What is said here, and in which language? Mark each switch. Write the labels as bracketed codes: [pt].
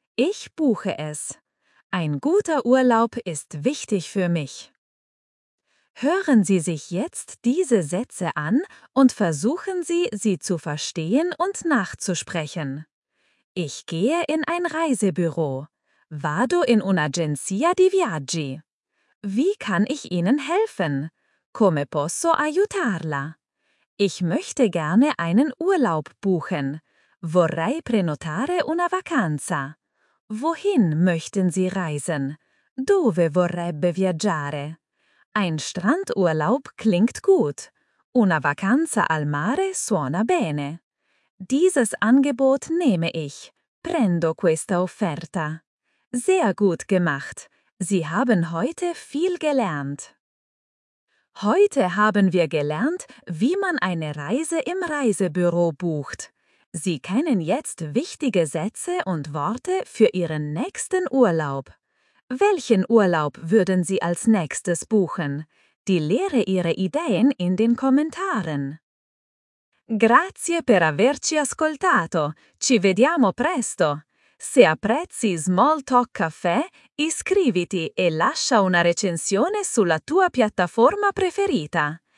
[de] Ich buche es. Ein guter Urlaub ist wichtig für mich. Hören Sie sich jetzt diese Sätze an und versuchen Sie, sie zu verstehen und nachzusprechen. Ich gehe in ein Reisebüro. [it] Vado in un'agenzia di viaggi. [de] Wie kann ich Ihnen helfen? [it] Come posso aiutarla? [de] Ich möchte gerne einen Urlaub buchen. [it] Vorrei prenotare una vacanza. [de] Wohin möchten Sie reisen? [it] Dove vorrebbe viaggiare? [de] Ein Strandurlaub klingt gut. [it] Una vacanza al mare suona bene. [de] Dieses Angebot nehme ich. [it] Prendo questa offerta. [de] Sehr gut gemacht. Sie haben heute viel gelernt. Heute haben wir gelernt, wie man eine Reise im Reisebüro bucht. Sie kennen jetzt wichtige Sätze und Worte für Ihren nächsten Urlaub. Welchen Urlaub würden Sie als nächstes buchen? die Lehre ihre Ideen in den Kommentaren. [it] Grazie per averci ascoltato. Ci vediamo presto. Se apprezzi Small Talk Caffè, iscriviti e lascia una recensione sulla tua piattaforma preferita.